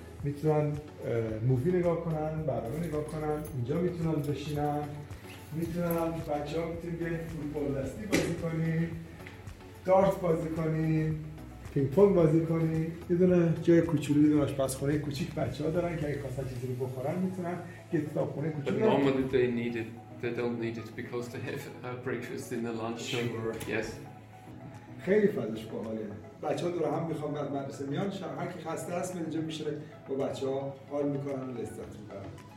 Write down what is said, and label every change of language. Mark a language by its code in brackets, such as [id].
[fa] میتونن مووی نگاه کنن، برنامه نگاه کنن، اینجا میتونن بشینن، میتونن بچه ها میتونن به فوتبال دستی بازی کنین، دارت بازی کنین، پینگ پونگ بازی کنین، یه دونه جای کوچولو، یه دونه آشپزخونه کوچیک بچه ها دارن که اگه خواستن چیزی رو بخورن میتونن کتابخونه کوچولو. [en] Normally they need it. They don't need it because they have a breakfast in the lunch. Sure. Yes. [fa] خیلی فضاش باحاله. بچه ها دور هم میخوام بعد مدرسه میان، هر کی خسته است من اینجا میشه با بچه ها حال میکنم و لذت میبرم.